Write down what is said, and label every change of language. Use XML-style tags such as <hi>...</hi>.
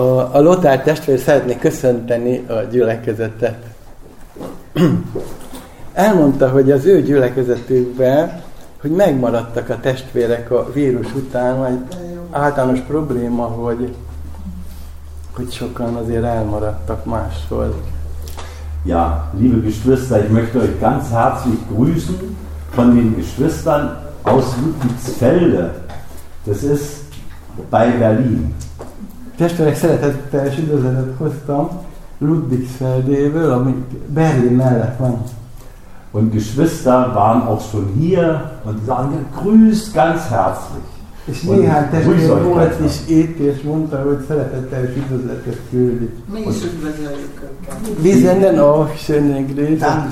<hu>A Lothár testvér szeretné köszönteni a gyülekezetet. Elmondta, hogy az ő gyülekezetükben, hogy megmaradtak a testvérek a vírus után, egy általános probléma, hogy sokan azért elmaradtak máshol.</hu> <de>Ja, liebe Geschwister, ich möchte euch ganz herzlich grüßen von den Geschwistern aus Ludwigsfelde. Das ist bei Berlin.</de> <hu>Testvérek, szeretettel és üdvözletet hoztam Ludwigsfeldéből, ami Berlin mellett van.</hu> <de>Und Geschwister waren auch schon hier und sagen gegrüßt ganz herzlich.</de> <hu>És néhány testvér volt is itt, és mondta, hogy szeretettel és üdvözletet küldi. Mi is üdvözletünk.</hu> <de>Wir senden auch schöne Grüße.</de>